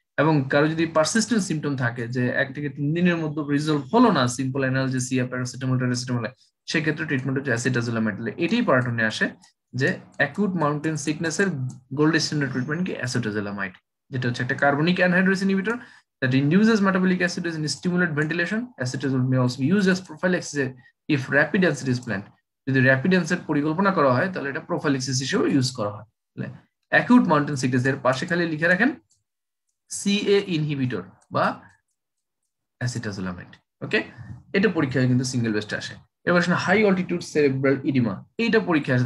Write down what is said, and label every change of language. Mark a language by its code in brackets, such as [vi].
[bn] এবং কারো যদি পারসিস্টেন্ট সিমটম থাকে যে 1 থেকে 3 দিনের মধ্যে রিজলভ হলো না সিম্পল অ্যানালজেসিয়া, প্যারাসিটামল, টেরাসিটামল, সেক্ষেত্রে ট্রিটমেন্ট হচ্ছে অ্যাসিটাজোলামাইড। এটাই পার্টনে আসে যে acute mountain সিকনেসের gold standard treatment কি অ্যাসিটাজোলামাইড, যেটা হচ্ছে একটা carbonic anhydrase inhibitor, [en] that induces metabolic acidosis and stimulate ventilation. Acetazole may also be used as prophylaxis if rapid acid is planned. [bn] যদি র্যাপিড অনসেট পরিকল্পনা করা হয় তাহলে এটা প্রোফাইলেক্সিস হিসেবে ইউজ করা হয়। অ্যাকিউট মাউন্টেন সিকনেস এর পাশে খালি লিখে রাখেন সিএ ইনহিবিটর বা অ্যাসিটাজোলামাইড। ওকে, এটা পরীক্ষায় কিন্তু সিঙ্গেল বেস্ট আসে। এবার আসেন হাই অল্টিটিউড সেরেব্রাল ইডিমা, এইটা পরীক্ষায় আসে।